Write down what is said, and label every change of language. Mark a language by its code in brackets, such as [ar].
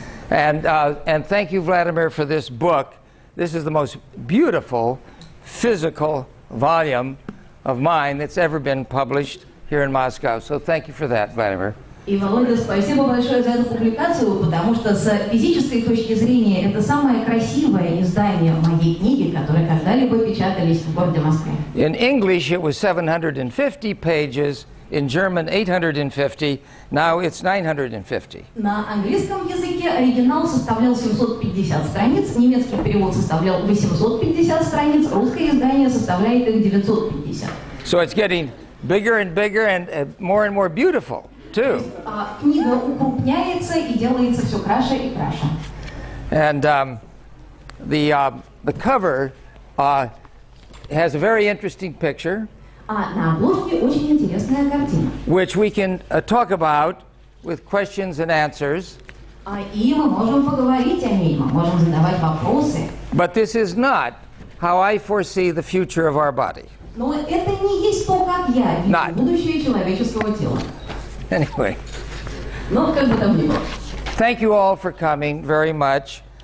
[en] And thank you, Vladimir, for this book. This is the most beautiful physical volume of mine that's ever been published here in Moscow. So thank you for that, Vladimir. [ru] И, Володя, спасибо большое за эту публикацию, потому что с физической точки зрения это самое красивое издание моей книги, которое когда-либо печатались в городе Москве. [en] In English it was 750 pages, in German 850, now it's 950. [ru] На английском языке оригинал составлял 750 страниц, немецкий перевод составлял 850 страниц, русское издание составляет их 950. [en] So it's getting bigger and bigger and more beautiful. [ru] Книга укрупняется и делается все краше и краше. [en] And the cover has a very interesting picture. [ru] На обложке очень интересная картина. [en] Which we can talk about with questions and answers. [ru] И мы можем поговорить о ней, мы можем задавать вопросы. [en] But this is not how I foresee the future of our body. [ru] Но это не есть то, как я вижу будущее человеческого тела. [en] Anyway, thank you all for coming very much.